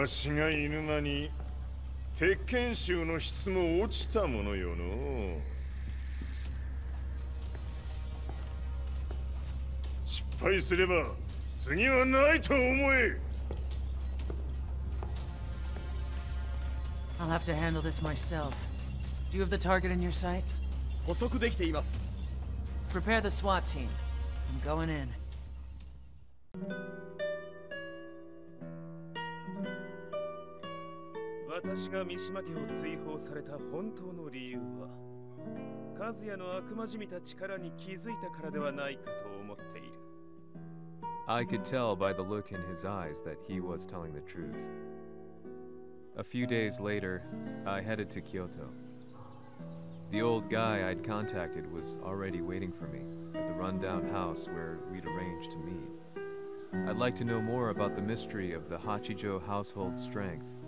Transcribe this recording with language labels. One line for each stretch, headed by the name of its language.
Japanese: わしが犬間に鉄拳衆の質も落ちたものよの。失敗すれば次はないと思え。
English: I'll have to handle this myself. Do you have the target in your sights?
Japanese: 捕捉できています。
English: Prepare the SWAT team. I'm going in.
Japanese: 私が三島家を追放された本当の理由は、カズヤの悪魔じみた力に気づいたからではないかと思っている。
English: I could tell by the look in his eyes that he was telling the truth. A few days later, I headed to Kyoto. The old guy I'd contacted was already waiting for me at the rundown house where we'd arranged to meet. I'd like to know more about the mystery of the Hachijo household strength.